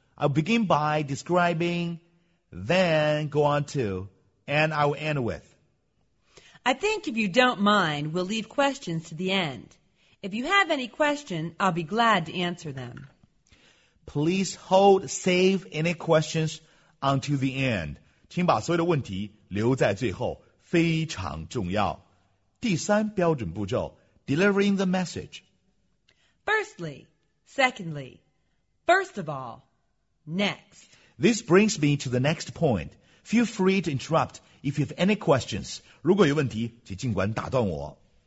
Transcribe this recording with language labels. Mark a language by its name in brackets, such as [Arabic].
[English] I'll begin by describing, then go on to, and I will end with. I think if you don't mind, we'll leave questions to the end. If you have any question, I'll be glad to answer them. Please hold, save any questions until the end. [Chinese] 请把所有的问题留在最后，非常重要。第三标准步骤 [English] delivering the message. Firstly, secondly, first of all, next. This brings me to the next point. Feel free to interrupt if you have any questions. [Chinese] 如果有问题，请尽管打断我。